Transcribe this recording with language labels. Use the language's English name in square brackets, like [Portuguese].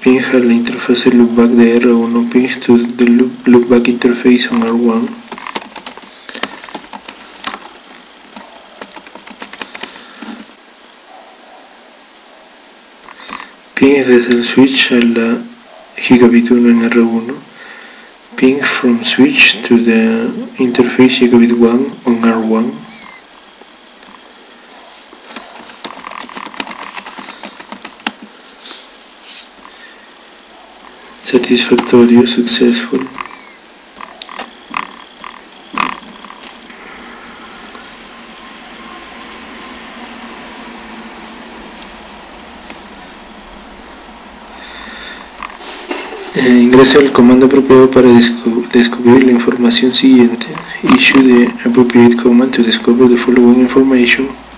[Spanish] Ping al interface loopback de R1, [English] ping to the loopback interface on R1. [Spanish] Ping desde el switch a la gigabit 1 en R1. [English] Ping from switch to the interface gigabit 1 on R1. [Spanish] Satisfactorio, [English] successful. [Spanish] Ingrese el comando apropiado para descubrir la información siguiente. [English] Issue the appropriate command to discover the following information.